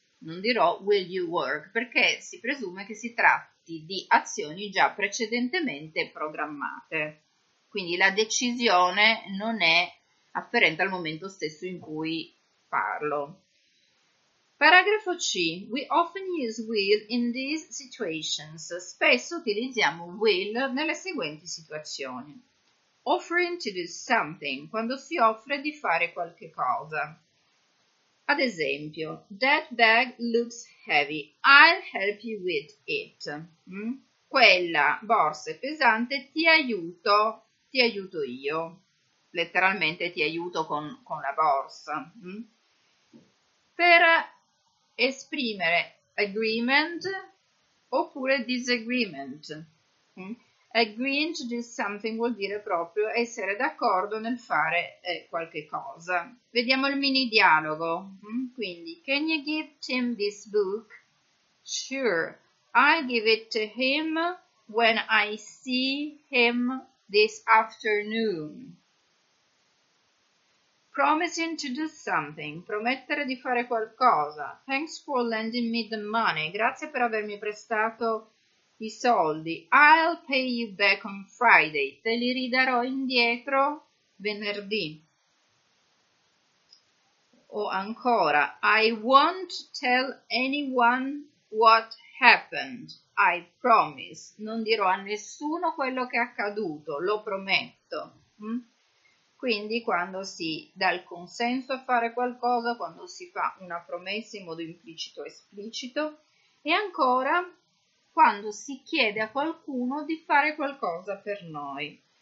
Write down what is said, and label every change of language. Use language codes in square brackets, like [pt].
[it] Non dirò [en] will you work, [it] perché si presume che si tratti di azioni già precedentemente programmate, quindi la decisione non è afferente al momento stesso in cui parlo. [en] Paragrafo C. We often use will in these situations. [it] Spesso utilizziamo will nelle seguenti situazioni. [en] Offering to do something, [it] quando si offre di fare qualche cosa. Ad esempio, [en] that bag looks heavy, I'll help you with it. [it] Quella borsa è pesante, ti aiuto io. Letteralmente ti aiuto con la borsa. Per esprimere agreement oppure disagreement. [en] Agreeing to do something [it] vuol dire proprio essere d'accordo nel fare qualche cosa. Vediamo il mini dialogo. Quindi, [en] can you give Tim this book? Sure, I'll give it to him when I see him this afternoon. Promising to do something. [it] Promettere di fare qualcosa. [en] Thanks for lending me the money. [it] Grazie per avermi prestato i soldi. [en] I'll pay you back on Friday. [it] Te li ridarò indietro venerdì. O ancora, [en] I won't tell anyone what happened. I promise. [it] Non dirò a nessuno quello che è accaduto. Lo prometto. Quindi quando si dà il consenso a fare qualcosa, quando si fa una promessa in modo implicito o esplicito. E ancora, quando si chiede a qualcuno di fare qualcosa per noi.